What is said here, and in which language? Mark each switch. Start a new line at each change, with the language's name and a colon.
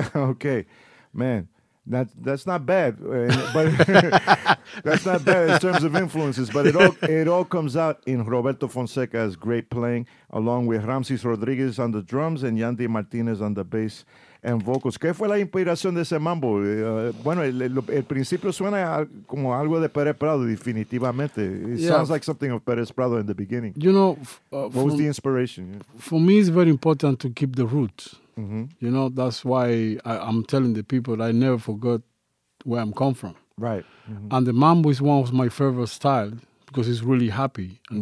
English: Okay, man. That's not bad, but that's not bad in terms of influences. But it all comes out in Roberto Fonseca's great playing, along with Ramses Rodriguez on the drums and Yandy Martinez on the bass and vocals.
Spanish: ¿Qué fue la inspiración de ese mambo? Bueno, el principio suena como algo de Pérez Prado, definitivamente.
English: Sounds like something of Pérez Prado in the beginning. You know, what was the inspiration? For me, it's very important to keep the roots. Mm-hmm. You know, that's why I'm telling the people that I never forgot where I'm come from. Right. Mm-hmm. And the mambo is one of my favorite styles because it's really happy. And mm-hmm.